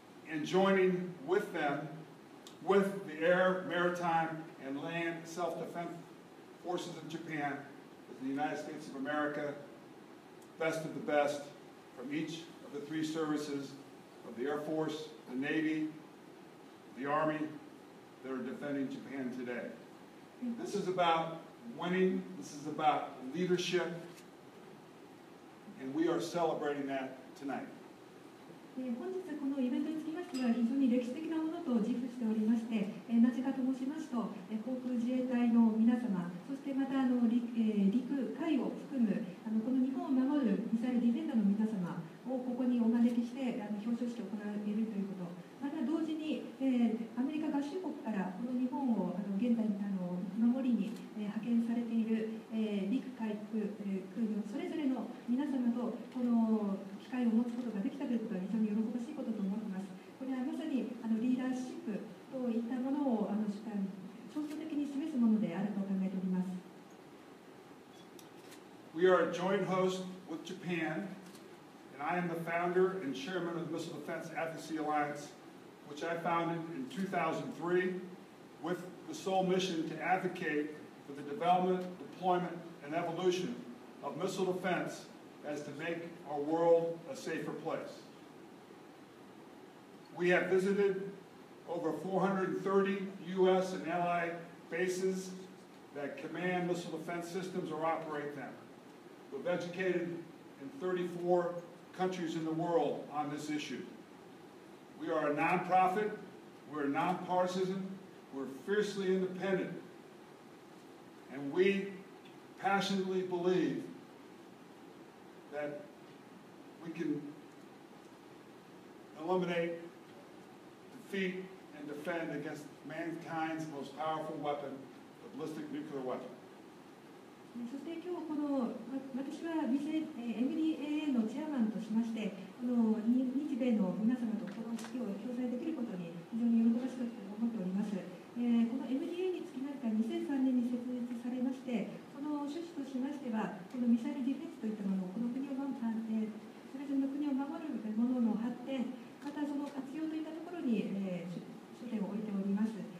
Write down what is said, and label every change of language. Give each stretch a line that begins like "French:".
English: And joining with them, with the air, maritime, and land self-defense forces of Japan, is the United States of America, best of the best from each of the three services of the Air Force, the Navy, the Army, that are defending Japan today. This is about winning, this is about leadership, and we are celebrating that tonight.
Japanese: 本日このイベントにつきましては非常に歴史的なものと自負しておりまして、なぜかと申しますと、航空自衛隊の皆様、そしてまた陸海を含むこの日本を守るミサイルディフェンダーの皆様をここにお招きして表彰式を行っているということ、また同時にアメリカ合衆国からこの日本を現在守りに派遣されている陸海空軍それぞれの皆様とこの機会を持つことができたということは非常に喜ばしいことと思っています。これはまさにリーダーシップといったものを象徴的に示すものであると考えております。
English: We are a joint host with Japan, and I am the founder and chairman of the Missile Defense Advocacy Alliance, which I founded in 2003 with the sole mission to advocate for the development, deployment, and evolution of missile defense as to make our world a safer place. We have visited over 430 U.S. and allied bases that command missile defense systems or operate them. We've educated in 34 countries in the world on this issue. We are a nonprofit, we're nonpartisan, we're fiercely independent, and we passionately believe that we can eliminate, defeat, and defend against mankind's most powerful weapon, the ballistic nuclear weapon.
Japanese: そして今日この私は MDAA のチェアマンとしましてこの日米の皆様とこの式を共催できることに非常に喜ばしく思っております。この MDA につきましては2003年に設立されまして、その趣旨としましてはこのミサイルディフェンスといったものをこの国を守る、それぞれの国を守るものの発展、またその活用といったところに焦点を置いております。